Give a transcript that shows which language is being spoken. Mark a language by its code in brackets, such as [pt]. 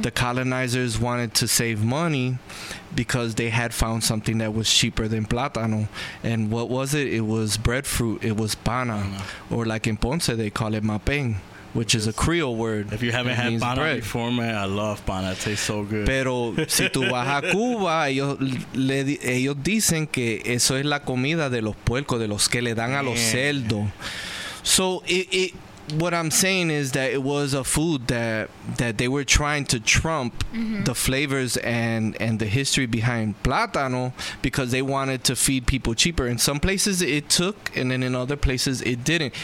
[en] the colonizers wanted to save money because they had found something that was cheaper than plátano. And what was it? It was breadfruit. It was pana. Mm-hmm. Or like in Ponce, they call it mapeng, which is a Creole word. If you haven't had pana before, man, I love pana. It tastes so good. [es] Pero si tú vas a Cuba, ellos dicen que eso es la comida de los puercos, de los que le dan a los cerdos. [en] So it, what I'm saying is that it was a food that they were trying to trump mm-hmm. the flavors and the history behind plátano because they wanted to feed people cheaper. In some places it took, and then in other places it didn't.